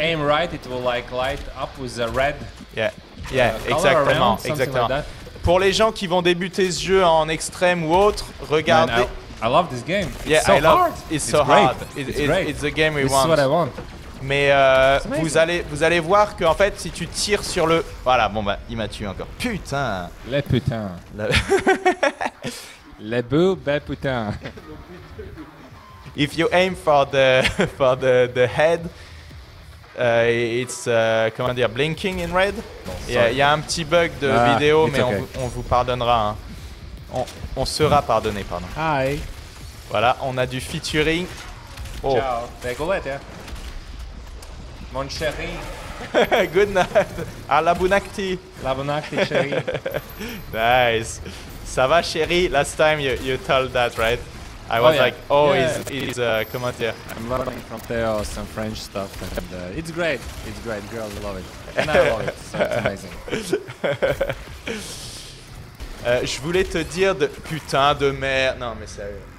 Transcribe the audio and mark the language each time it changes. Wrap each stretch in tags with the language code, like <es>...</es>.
<en>When you aim right, it will like light up with a red. Yeah, yeah,</en> <fr>exactement,</fr> <en>color around,</en> <fr>exactement.</fr> <en>Like that.</en> <fr>Pour les gens qui vont débuter ce jeu en extrême ou autre, regardez.</fr> <en>Man, I love this game. Yeah, it's so I love, hard. It's so great. Hard. It's great. It's the game we this want. This is what I want.</en> <fr>Mais vous allez voir que en fait si tu tires sur le voilà bon bah il m'a tué encore. Putain. Les putains. Les beaux bel putain.</fr> <en>If you aim for the head, it's blinking in red.</en> <fr>Bon, yeah, il y a un petit bug de vidéo, mais</fr> <en>okay.</en> <fr>on vous pardonnera. Hein. On sera pardonné.</fr> <en>Hi.</en> <fr>Voilà, on a du featuring. Oh. Ciao. Regolette, hein. Mon chéri.</fr> <en>Good night. À la bunakti. La bunakti,</en> <fr>chéri. Nice. Ça va, chéri?</fr> <en>Last time you told that, right? I'm learning from Theo some French stuff. And, it's great. It's great. Girls love it. And I love it. So it's amazing.</en> <fr>Je voulais te dire de putain de merde. Non, mais sérieux.</fr>